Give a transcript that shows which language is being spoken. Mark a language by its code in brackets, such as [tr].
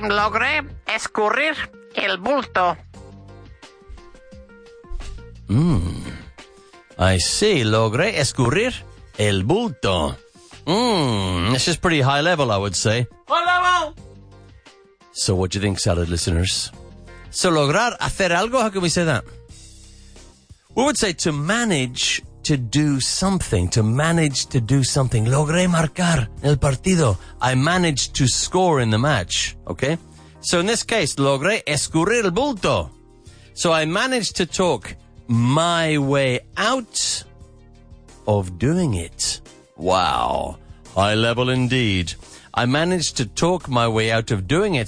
[es] Logré escurrir el bulto. [en] I see. [es] Logré escurrir el bulto. [en] This is pretty high level, I would say. High level! So what do you think, salad listeners? So [es] lograr hacer algo, [en] how can we say that? We would say to manage to do something, to manage to do something. [es] Logré marcar el partido. [en] I managed to score in the match, okay? So in this case, [es] logré escurrir el bulto. [en] So I managed to talk my way out of doing it. Wow, high level indeed. I managed to talk my way out of doing it.